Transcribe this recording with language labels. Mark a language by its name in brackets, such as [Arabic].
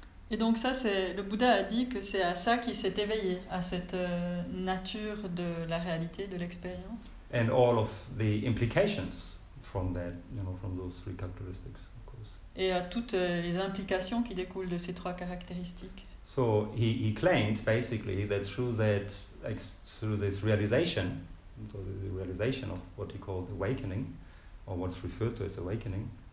[French] Et donc ça, c'est le Bouddha a dit que c'est à ça qu'il s'est éveillé, à cette nature de la réalité, de l'expérience. [English] And all of the implications from that, you know, from those three characteristics, of course. [French] Et à toutes les implications qui découlent de ces trois caractéristiques. [English] So he claimed basically that through this realization, so the realization of what he called awakening, or what's referred to as awakening.